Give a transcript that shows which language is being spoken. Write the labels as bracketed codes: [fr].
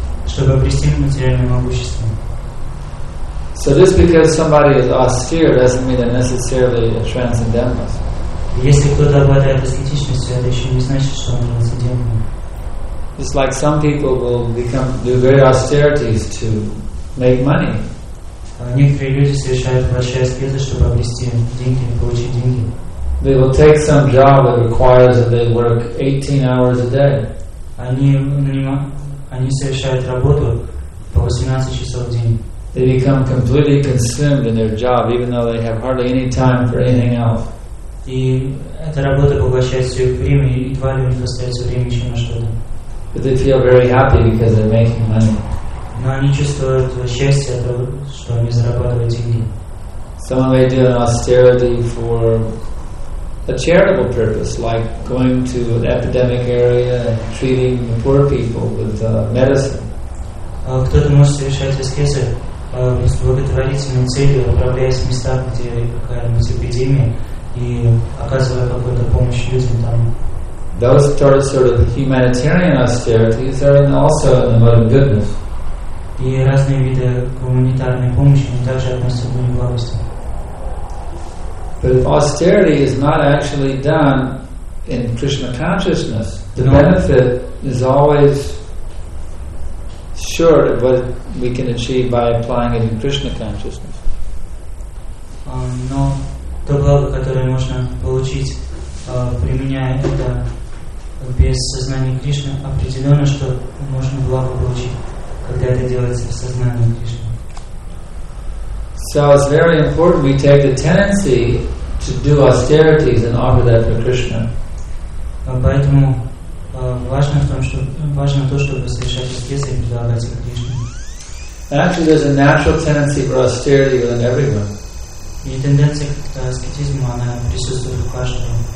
[ru] Чтобы обрести материальное могущество. [en] So just because somebody is austere doesn't mean they're necessarily a transcendentalist. [ru] Если кто-то обладает аскетичностью, хотя это еще не значит, что он является демоном. [en] It's like some people will become do very austerities to make money. [ru] Некоторые люди совершают большие аскезы, чтобы обрести деньги, получить деньги. [en] They will take some job that requires that they work 18 hours a day. [ru] Они совершают работу по 18 часов в день. [en] They become completely consumed in their job, even though they have hardly any time for anything else. [ru] И эта работа поглощает все их время, и едва ли у них остается время еще на что-то. [en] But they feel very happy because they're making money. [ru] Но они чувствуют счастье, что они зарабатывают деньги. [en] Some may do an austerity for a charitable purpose, like going to an epidemic area and treating the poor people with medicine. [ru] Кто-то может совершать аскезы с благотворительной целью, отправляясь в места, где какая-нибудь эпидемия, и оказывая какую-то помощь людям там. [en] Those sort of humanitarian austerities are also in the mode of goodness. [ru] И разные виды гуманитарной помощи также относятся к благости. [en] But if austerity is not actually done in Krishna consciousness, the benefit is always short of what we can achieve by applying it in Krishna consciousness. [ru] Но то благо, которое можно получить, применяя это без сознания Кришны, определенно, что можно благо получить, когда это делается в сознании Кришны. [en] So it's very important we take the tendency to do austerities and offer that for Krishna. [ru] Поэтому важно в том, что важно то, чтобы совершать аскезы и предлагать их Кришне. [en] Actually, there's a natural tendency for austerity within everyone. [ru] И тенденция к аскетизму, она присутствует у каждого.